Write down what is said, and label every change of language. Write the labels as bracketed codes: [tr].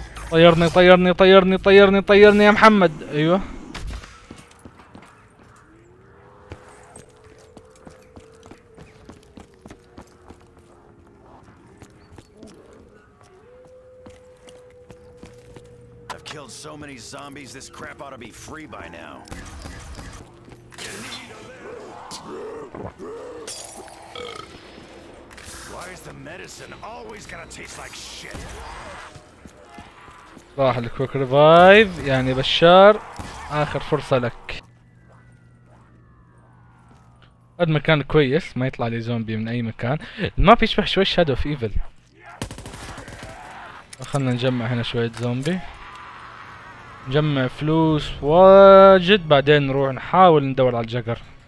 [ar] طيرني طيرني طيرني طيرني طيرني يا محمد. [en] ايوه I've killed so many zombies this crap ought to be free by now. Why is the medicine always gonna taste like shit? [ar] صباح الكويك ريفايف يعني بشار اخر فرصة لك. هذا مكان كويس ما يطلع لي زومبي من اي مكان. ما في يشبه شوي شادو في ايفل. خلنا نجمع هنا شوية زومبي. نجمع فلوس واجد بعدين نروح نحاول ندور على الجقر.